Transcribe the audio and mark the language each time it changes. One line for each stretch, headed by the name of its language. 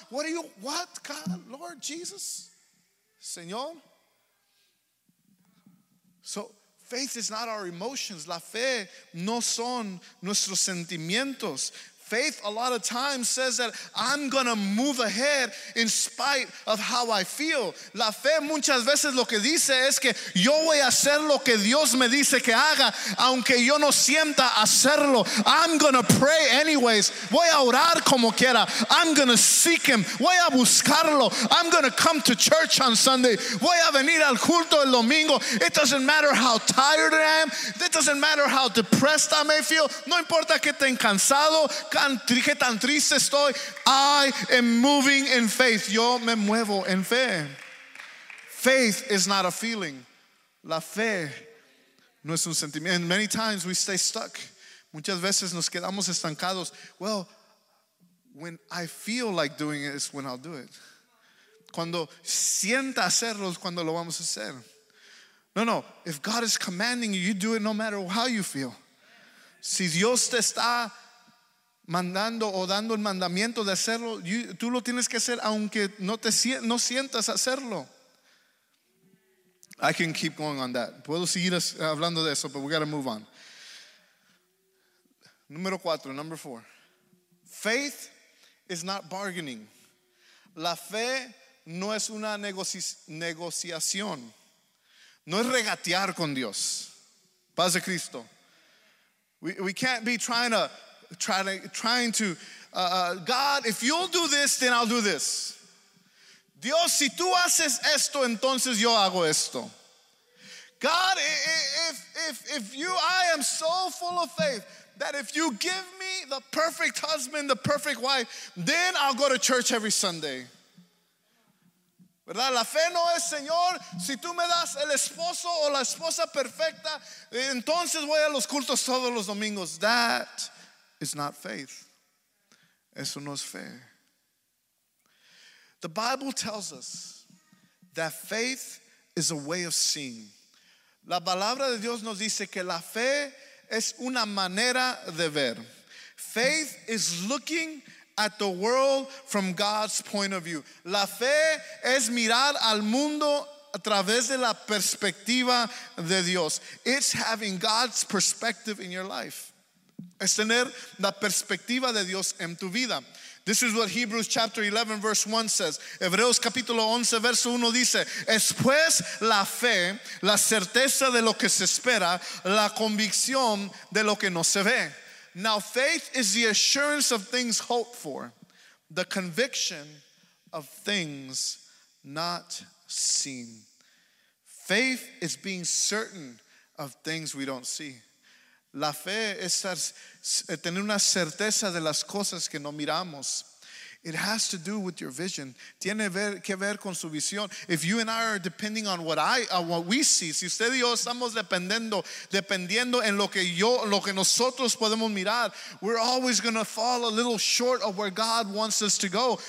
English: What are you, what, God, Lord, Jesus, Señor? So faith is not our emotions.
Spanish: La fe no son nuestros sentimientos.
English: Faith a lot of times says that I'm going to move ahead in spite of how I feel.
Spanish: La fe muchas veces lo que dice es que yo voy a hacer lo que Dios me dice que haga, aunque yo no sienta hacerlo.
English: I'm going to pray anyways.
Spanish: Voy a orar como quiera.
English: I'm going to seek him.
Spanish: Voy a buscarlo.
English: I'm going to come to church on Sunday.
Spanish: Voy a venir al culto el domingo.
English: It doesn't matter how tired I am. It doesn't matter how depressed I may feel.
Spanish: No importa que estén cansado. Qué tan triste estoy.
English: I am moving in faith.
Spanish: Yo me muevo en fe.
English: Faith is not a feeling.
Spanish: La fe no es un sentimiento.
English: And many times we stay stuck.
Spanish: Muchas veces nos quedamos estancados.
English: Well, when I feel like doing it, it's when I'll do it.
Spanish: Cuando sienta hacerlo, es cuando lo vamos a hacer. No, no.
English: If God is commanding you, you do it no matter how you feel.
Spanish: Si Dios te está mandando o dando el mandamiento de hacerlo, tú lo tienes que hacer aunque no sientas hacerlo.
English: I can keep going on that.
Spanish: Puedo seguir hablando de eso,
English: but we got to move on. Number four. Faith is not bargaining.
Spanish: La fe no es una negociación. No es regatear con Dios. Paz de Cristo.
English: We can't be trying to, God, if you'll do this, then I'll do this.
Spanish: Dios, si tú haces esto, entonces yo hago esto.
English: God, if I am so full of faith that if you give me the perfect husband, the perfect wife, then I'll go to church every Sunday.
Spanish: ¿Verdad? La fe no es, Señor, si tú me das el esposo o la esposa perfecta, entonces voy a los cultos todos los domingos.
English: That is not faith.
Spanish: Eso no es fe.
English: The Bible tells us that faith is a way of seeing.
Spanish: La palabra de Dios nos dice que la fe es una manera de ver.
English: Faith is looking at the world from God's point of view.
Spanish: La fe es mirar al mundo a través de la perspectiva de Dios.
English: It's having God's perspective in your life.
Spanish: Es tener la perspectiva de Dios en tu vida.
English: This is what Hebrews chapter 11 verse 1 says.
Spanish: Hebreos capítulo 11 verso 1 dice, es pues la fe, la certeza de lo que se espera, la convicción de lo que no se ve.
English: Now faith is the assurance of things hoped for, the conviction of things not seen. Faith is being certain of things we don't see.
Spanish: La fe es tener una certeza de las cosas que no miramos.
English: It has to do with your vision.
Spanish: Tiene que ver con su visión.
English: If you and I are depending on what we see,
Spanish: si usted y yo estamos dependiendo en lo que nosotros podemos mirar,
English: we're always going to fall a little short of where God wants us to go.